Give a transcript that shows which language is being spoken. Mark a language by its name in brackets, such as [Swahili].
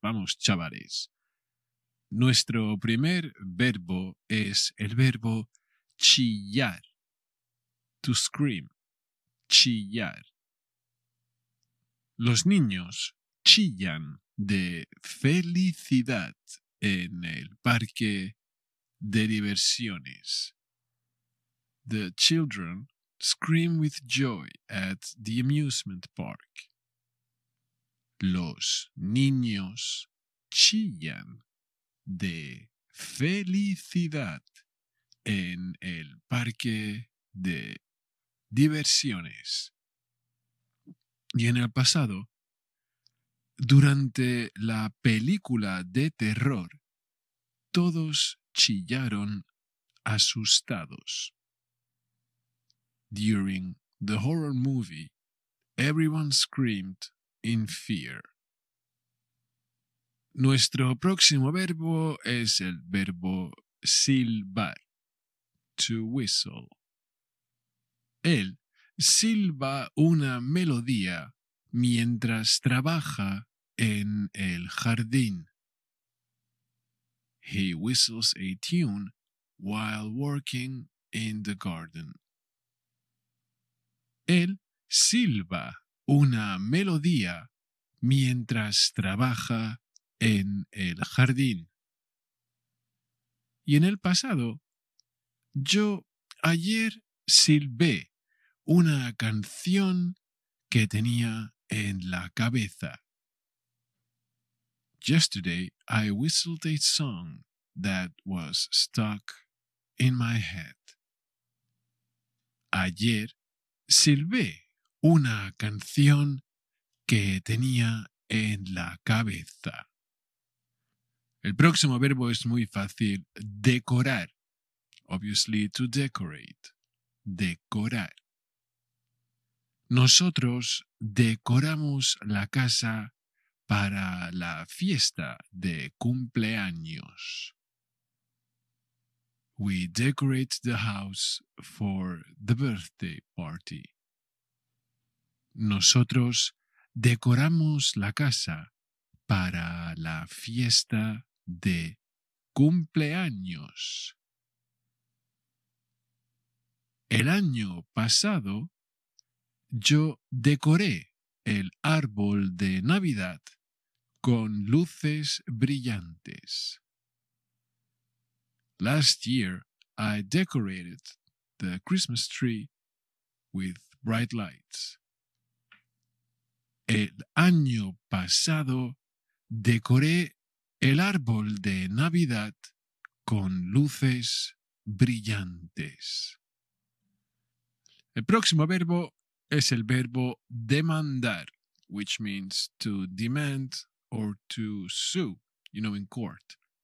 [Spanish] Vamos chavales. Nuestro primer verbo es el verbo chillar. [English] To scream. [Spanish] Chillar. Los niños chillan de felicidad en el parque de diversiones. [English] The children scream with joy at the amusement park. [Spanish] Los niños chillan de felicidad en el parque de diversiones. Y en el pasado, durante la película de terror, todos chillaron asustados. [English] During the horror movie, everyone screamed in fear. [Spanish] Nuestro próximo verbo es el verbo silbar, [English] to whistle. [Spanish] Él silba una melodía mientras trabaja en el jardín. [English] He whistles a tune while working in the garden. [Spanish] Él silba una melodía mientras trabaja en el jardín. Y en el pasado, yo ayer silbé una canción que tenía en la cabeza. [English] Yesterday I whistled a song that was stuck in my head. [Spanish] Ayer silbé una canción que tenía en la cabeza. El próximo verbo es muy fácil. Decorar. [English] Obviously, to decorate. [Spanish] Decorar. Nosotros decoramos la casa para la fiesta de cumpleaños. [English] We decorate the house for the birthday party. [Spanish] Nosotros decoramos la casa para la fiesta de cumpleaños. El año pasado, yo decoré el árbol de Navidad con luces brillantes. [English] Last year, I decorated the Christmas tree with bright lights. [Spanish] El año pasado, decoré el árbol de Navidad con luces brillantes. El próximo verbo es el verbo demandar, [English] which means to demand or to sue, you know, in court.